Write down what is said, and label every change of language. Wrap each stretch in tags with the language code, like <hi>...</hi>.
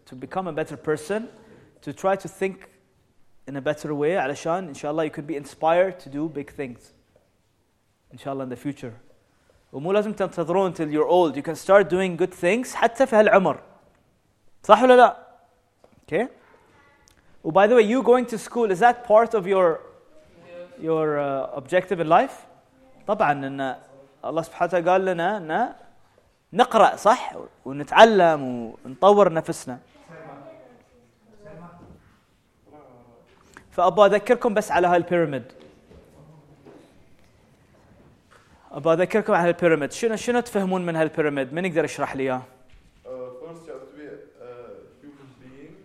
<en>To become a better person, to try to think in a better way,</en> <ar>علشان</ar> <en>inshallah you could be inspired to do big things, inshallah in the future.</en> <ar>ومو لازم تنتظرون</ar> <en>until you're old. You can start doing good things</en> <ar>حتى في هالعمر. صح ولا لا؟</ar> <en>Okay. Oh, by the way, you going to school, is that part of your objective in life?</en> <ar>طبعا إن الله سبحانه قال لنا إن نقرأ صح ونتعلم ونطور نفسنا. فأبا أذكركم بس على هاي البيراميد. أبا أذكركم على البيراميد. شنو تفهمون من هالبيراميد؟ من يقدر يشرح لي؟</ar> <en>First you have to be a human being.</en>